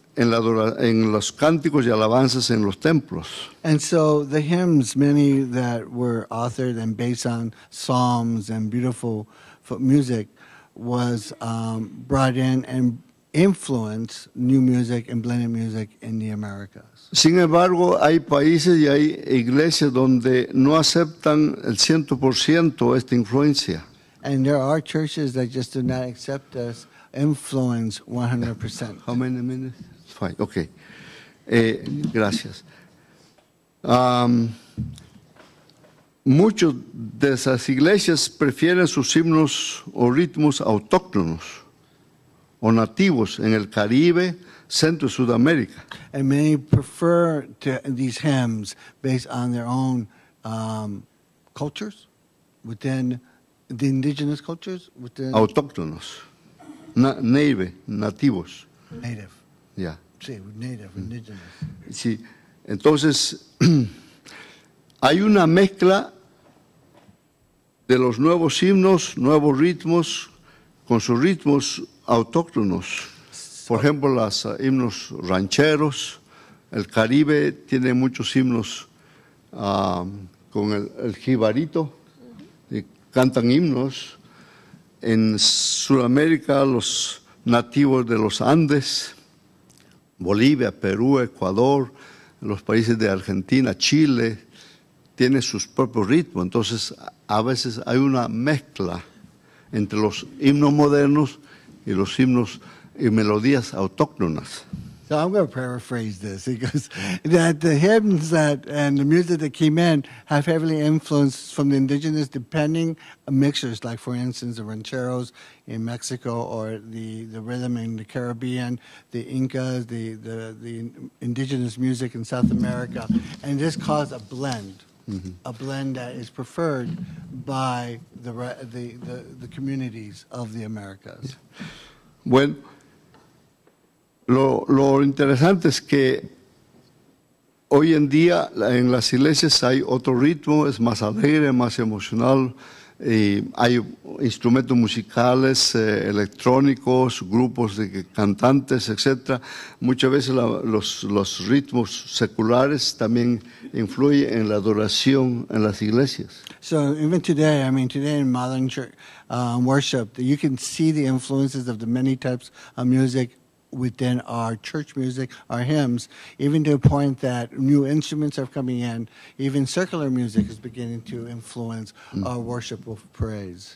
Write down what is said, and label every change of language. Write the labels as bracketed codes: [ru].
[es] en los cánticos y alabanzas en los templos. [en] And so the hymns, many that were authored and based on psalms and beautiful music, was brought in and influence new music and blended music in the Americas. [es] Sin embargo, hay países y hay iglesias donde no aceptan el 100% esta influencia. [en] And there are churches that just do not accept this influence 100%. How many minutes? Fine, okay. [es] Gracias. Muchos de esas iglesias prefieren sus himnos o ritmos autóctonos o nativos en el Caribe, Centro y Sudamérica. [en] And many prefer to, these hymns based on their own cultures, within the indigenous cultures. Within [es] autóctonos, native, nativos. [en] Native. Yeah. Sí, native, indigenous. [es] Sí, entonces hay una mezcla de los nuevos himnos, nuevos ritmos, con sus ritmos autóctonos. Por ejemplo, los himnos rancheros. El Caribe tiene muchos himnos con el jibarito. Y cantan himnos. En Sudamérica, los nativos de los Andes, Bolivia, Perú, Ecuador, los países de Argentina, Chile, tienen sus propios ritmos. Entonces, a veces hay una mezcla entre los himnos modernos y los himnos y melodías autóctonas. [en] So I'm going to paraphrase this, because that the hymns that and the music that came in have heavily influenced from the indigenous, depending on mixtures, like for instance the rancheros in Mexico or the rhythm in the Caribbean, the Incas, the indigenous music in South America, and this caused a blend. Mm-hmm. A blend that is preferred by the communities of the Americas. [es] Bueno, lo interesante es que hoy en día en las iglesias hay otro ritmo, es más alegre, más emocional, y hay instrumentos musicales, electrónicos, grupos de cantantes, etc. Muchas veces los ritmos seculares también influyen en la adoración en las iglesias. [en] So even today, I mean, today in modern worship, you can see the influences of the many types of music within our church music, our hymns, even to a point that new instruments are coming in, even circular music is beginning to influence our worship of praise.